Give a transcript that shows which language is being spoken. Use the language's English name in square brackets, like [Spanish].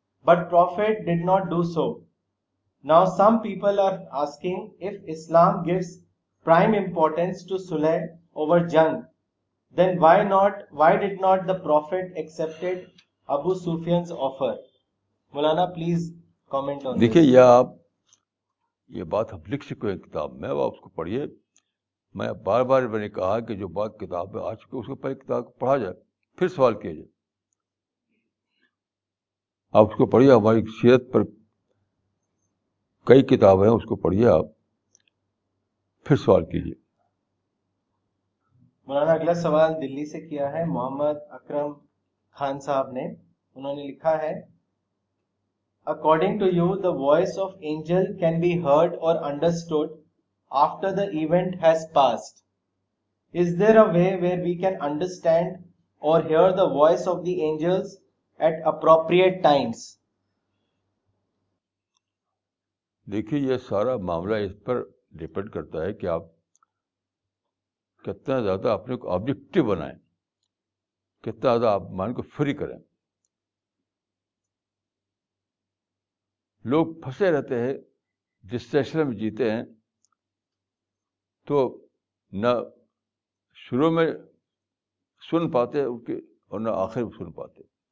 [English] But Prophet did not do so. Now some people are asking if Islam gives prime importance to صلح over جنگ, then why did not the Prophet accepted Abu Sufyan's offer? Maulana please comment on. [Urdu] دیکھیے یہ بات ہم لکھ چکے ہیں کتاب میں، اب آپ اس کو پڑھیے. میں بار بار میں نے کہا کہ جو بات کتاب میں آ چکی اس کو پہلے کتاب کو پڑھا جائے، پھر سوال کیا جائے. آپ اس کو پڑھیے، ہماری سیرت پر کئی کتابیں ہیں، اس کو پڑھیے آپ، پھر سوال کیجیے. مولانا اگلا سوال دلی سے کیا ہے محمد اکرم خان صاحب نے. انہوں نے لکھا ہے، [English] According to you, the voice of angel can be heard or understood after the event has passed. Is there a way where we can understand or hear the voice of the angels at appropriate times? [Urdu] دیکھیے یہ سارا معاملہ اس پر depend کرتا ہے کہ آپ کتنا زیادہ اپنے کو آبجیکٹو بنائیں، کتنا زیادہ آپ مائنڈ کو فری کریں. لوگ پھنسے رہتے ہیں، ڈسٹریکشن میں جیتے ہیں، تو نہ شروع میں سن پاتے ان کے اور نہ آخر میں سن پاتے.